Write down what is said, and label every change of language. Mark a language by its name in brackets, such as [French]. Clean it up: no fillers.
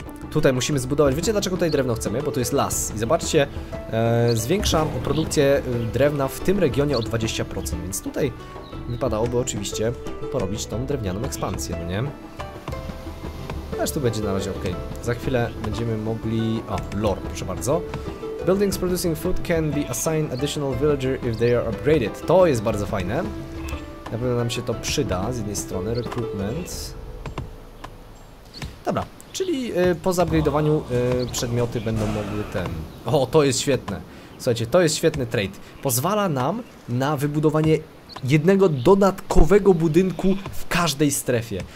[Polish] Tutaj musimy zbudować, wiecie dlaczego tutaj drewno chcemy? Bo to jest las i zobaczcie, zwiększa produkcję drewna w tym regionie o 20%. Więc tutaj wypadałoby oczywiście porobić tą drewnianą ekspansję, no nie? Aż tu będzie na razie ok. Za chwilę będziemy mogli... O, lore, proszę bardzo. [English] Buildings producing food can be assigned additional villager if they are upgraded. [Polish] To jest bardzo fajne. Na pewno nam się to przyda z jednej strony. Recruitment. Dobra, czyli po zaupgradeowaniu przedmioty będą mogły ten... O, to jest świetne. Słuchajcie, to jest świetny trade. Pozwala nam na wybudowanie jednego dodatkowego budynku w każdej strefie.